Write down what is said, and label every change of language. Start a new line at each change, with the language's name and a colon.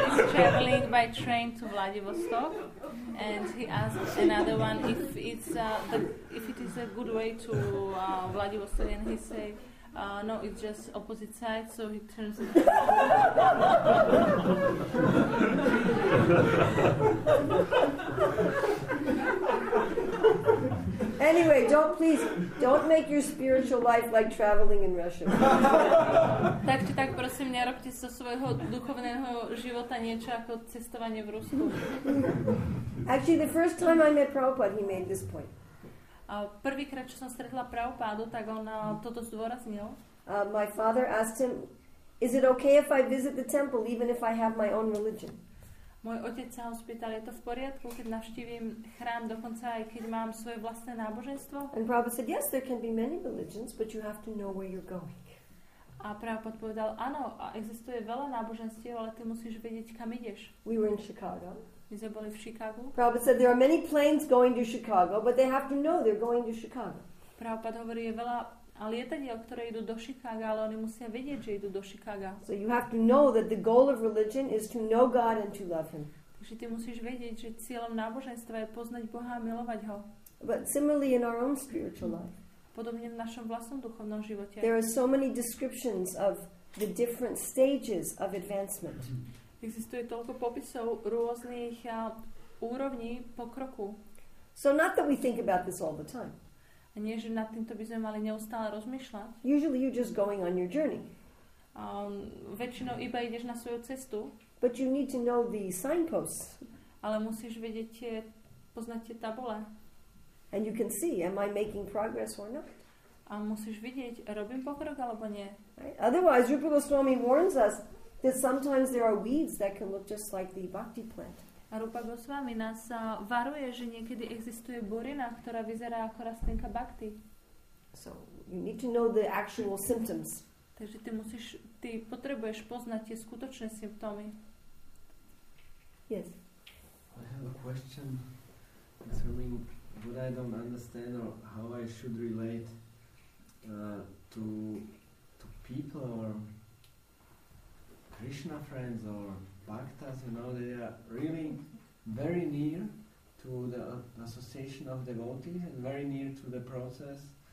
English: traveling by train to Vladivostok, and he asked another one if it's the, if it is a good way to Vladivostok, and he said, no, it's just opposite side, so he turns. Anyway, don't, please, don't make your spiritual life like traveling in Russia.
Slovak: Tak či tak, prosím, nerobte so svojho duchovného života niečo ako cestovanie v Rusku.
English: Actually, the first time I met Prabhupada, he made this point.
Slovak: Prvýkrát, čo som stretla Prabhupádu, tak on toto zdôraznil.
English: My father asked him, is it okay if I visit the temple, even if I have my own religion?
Slovak: Môj otec sa ho spýtal, je to v poriadku, keď navštívim chrám, dokonca aj keď mám svoje vlastné náboženstvo?
English: And Prabhupada said, yes, there can be many religions, but you have to know where you're going.
Slovak: A Prabhupada povedal, áno, existuje veľa náboženstiev, ale ty musíš vedieť, kam ideš.
English: We were in Chicago.
Slovak: My sme boli v Chicago.
English: Prabhupada said, there are many planes going to Chicago, but they have to know they're going to Chicago.
Slovak: Prabhupada hovorí, je veľa a lietadiel, ktoré idú do Chicago, ale oni musia vedieť, že idú do Chicago.
English: So you have to know that the goal of religion is to know God and to love him.
Slovak: Takže ty musíš vedieť, že cieľom náboženstva je poznať Boha a milovať ho.
English: But similarly in our own spiritual life.
Slovak: Podobne v našom vlastnom duchovnom živote.
English: There are so many descriptions of the different stages of advancement.
Slovak: Existuje toľko popisov rôznych úrovní pokroku.
English: So not that we think about this all the time.
Slovak: A nie, že nad týmto by sme mali neustále rozmýšľať.
English: Usually you're just going on your journey.
Slovak: Väčšinou iba ideš na svoju cestu.
English: But you need to know the signposts.
Slovak: Ale musíš vedieť tie, poznať tie tabule.
English: And you can see, am I making progress or not?
Slovak: A musíš vidieť, robím pokrok alebo nie.
English: Right? Otherwise, Rupa Goswami warns us that sometimes there are weeds that can look just like the bhakti plant.
Slovak: A Rupa Goswami nás varuje, že niekedy existuje burina, ktorá vyzerá ako rastlinka bhakti.
English: So you need to know the actual symptoms.
Slovak: Takže ty musíš, ty potrebuješ poznať tie skutočné symptómy.
English: Yes. I have a question concerning what I don't understand or how I should relate to people or Krishna friends or Bhaktas, you know, they are really very near to the association of devotees and very near to the process.